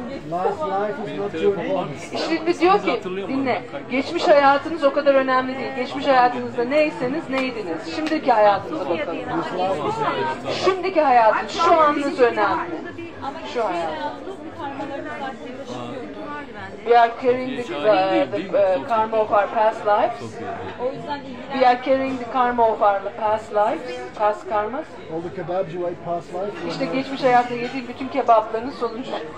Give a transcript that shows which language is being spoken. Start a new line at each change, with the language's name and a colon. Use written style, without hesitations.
English: Last life is not your home.
Turkish: Şimdi diyor ki, dinle. Geçmiş hayatınız o kadar önemli değil. Geçmiş hayatınızda neyseniz neydiniz? Şimdiki hayatınıza bakalım. Şimdiki hayatınız, şu anınız önemli. Şu hayat.
English: We are carrying the karma of our past lives. We are carrying the karma of our past lives, past karmas. All the kebabs you ate past life.
Turkish: İşte geçmiş hayatta yediğin bütün kebapların sonucu.